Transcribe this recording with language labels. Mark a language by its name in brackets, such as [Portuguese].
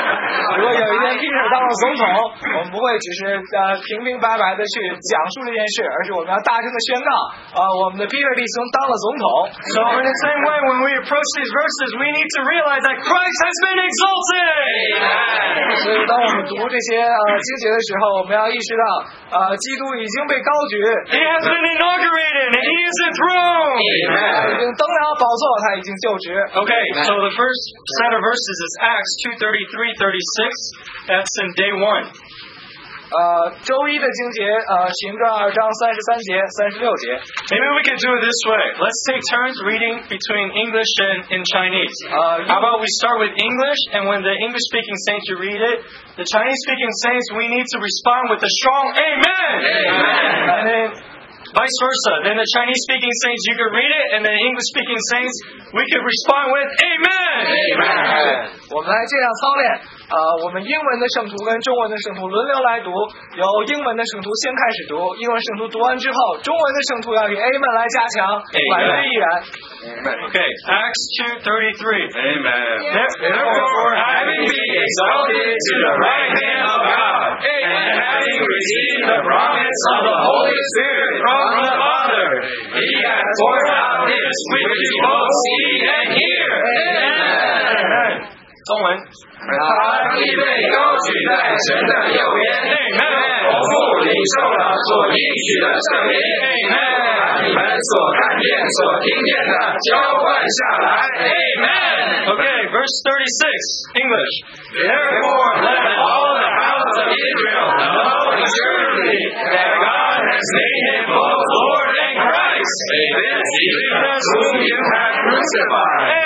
[Chinese] 如果有一天 Peter 当了总统，我们不会只是平平白白的去讲述这件事，而是我们要大声的宣告，我们的 Peter 弟兄当了总统。 [English] So in the same way, when we approach these verses, we need to realize that Christ has been exalted. [Chinese] 所以当我们读这些经节的时候，我们要意识到，基督已经被高举。 [English] He has been inaugurated, and He is enthroned. [Chinese] 已经登了宝座，他已经就职。 [English] Okay, so the first set of verses is Acts 2:33-36. That's in day one. [Chinese] 周一的经节，行传二章三十三节、三十六节。 [English] Maybe we can do it this way. Let's take turns reading between English and in Chinese. How about we start with English, and when the English-speaking saints you read it, the Chinese-speaking saints we need to respond with a strong Amen. Amen. Amen. Vice versa. Then the Chinese-speaking saints you can read it, and the English-speaking saints we can respond with Amen. Amen. [Chinese] 我们来这样操练。我们英文的圣徒跟中文的圣徒轮流来读，由英文的圣徒先开始读，英文圣徒读完之后，中文的圣徒要以 Amen 来加强，百分之一人。 [English] Okay, Acts 2:33. Amen. Therefore, having been exalted to the right hand of God, and having received the promise of the Holy Spirit from the Father, He has poured out this which you both see and hear. Amen. [Chinese] 中文。他必被高举在神的右边，同父领受了所应许的圣灵，把你们所看见、所听见的交换下来。 [English] Amen. Okay, verse 36, English. Therefore, let all the house of Israel know assuredly that God has made him both Lord and Christ, this whom you have crucified.